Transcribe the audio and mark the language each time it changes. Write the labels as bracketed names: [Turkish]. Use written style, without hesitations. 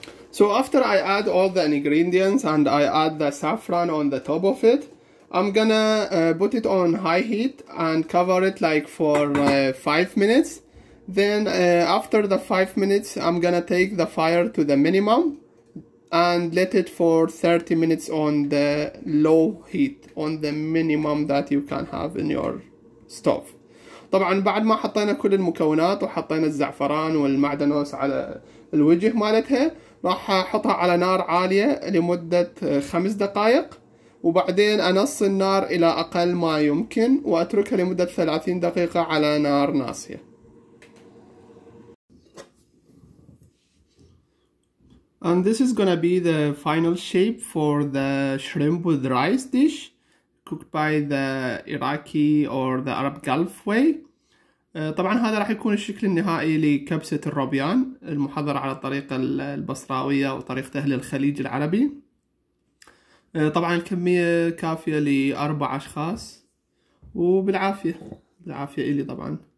[English] So after I add all the ingredients and I add the saffron on the top of it, I'm gonna put it on high heat and cover it like for 5 minutes. Then after the 5 minutes, I'm gonna take the fire to the minimum and let it for 30 minutes on the low heat, on the minimum that you can have in your stove. [Arabic] طبعا بعد ما حطينا كل المكونات وحطينا الزعفران والمعدنوس على الوجه مالتها راح احطها على نار عالية لمدة 5 دقائق وبعدين انص النار الى اقل ما يمكن واتركها لمدة 30 دقيقة على نار ناصية. [English] And this is gonna be the final shape for the shrimp with rice dish cooked by the Iraqi or the Arab Gulf way. [Arabic] طبعا هذا راح يكون الشكل النهائي لكبسة الروبيان المحضرة على الطريقة البصراوية وطريقة أهل الخليج العربي. طبعا الكمية كافية لأربع أشخاص وبالعافية. بالعافية إلي طبعا.